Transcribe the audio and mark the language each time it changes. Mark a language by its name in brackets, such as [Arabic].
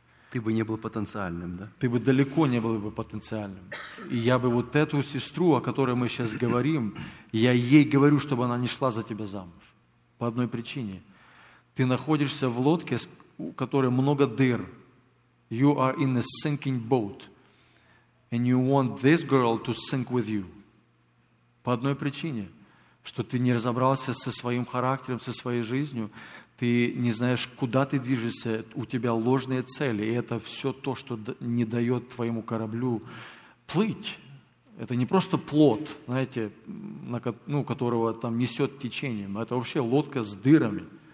[Russian] Ты бы не был потенциальным, да? Ты бы далеко не был бы потенциальным. И я бы вот эту сестру, о которой мы сейчас говорим, я ей говорю, чтобы она не шла за тебя замуж. По одной причине. Ты находишься в лодке, у которой много дыр. [English] You are in a sinking boat. And you want this girl to sink with you. [Russian] По одной причине. Что ты не разобрался со своим характером, со своей жизнью. Ты не знаешь, куда ты движешься, у тебя ложные цели, и это все то, что не дает твоему кораблю плыть. Это не просто плот, знаете, ну, которого там несет течением, это вообще лодка с дырами.